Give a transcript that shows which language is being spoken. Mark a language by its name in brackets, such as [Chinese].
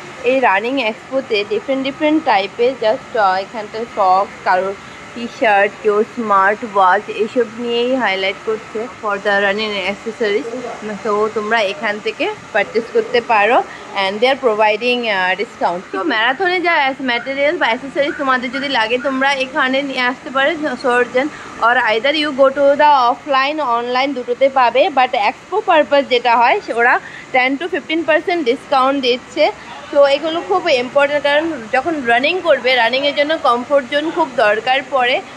[Bangla] এই running এক্সপোতে different different টাইপের just এখানটায় সক্স কারোর [English] t-shirt, your smart watch, [Bangla] এসব নিয়েই হাইলাইট করছে [English] for the running accessories. So [Bangla] তোমরা এখান থেকে [English] purchase [Bangla] করতে পারো [English] and they are providing discount. [Bangla] তো ম্যারাথনে যা materials বা accessories তোমাদের যদি লাগে তোমরা এখানে নিয়ে আসতে পারো [English] surgeon or either you go to the offline online [Bangla] দুটোতে পাবে [English] but expo purpose [Bangla] যেটা হয় ওরা 10-15% discount দিচ্ছে. তো এগুলো খুব ইম্পর্টেন্ট কারণ যখন রানিং করবে রানিং এর জন্য কমফোর্ট জোন খুব দরকার পড়ে.